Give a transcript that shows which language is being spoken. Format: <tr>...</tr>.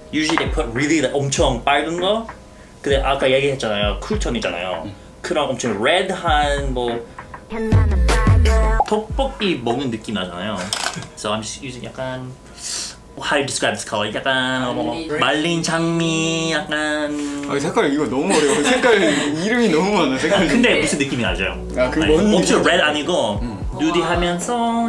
<en>Usually they put really like</en> <ko>엄청 빨간 거. 근데 아까 얘기했잖아요. 쿨톤이잖아요. 그런 엄청 레드한 뭐 떡볶이 먹는 느낌 나잖아요.</ko> <en>So I'm just using</en> <ko>약간</ko> <en>How you describe this color?</en> <ko>약간 말린 장미 약간 아 색깔 이거 너무 어려워. 색깔 이름이 너무 많아. 색깔 근데 무슨 느낌이 나죠? 아 그 뭔 느낌? 엄청 레드 아니고 누디 하면서</ko>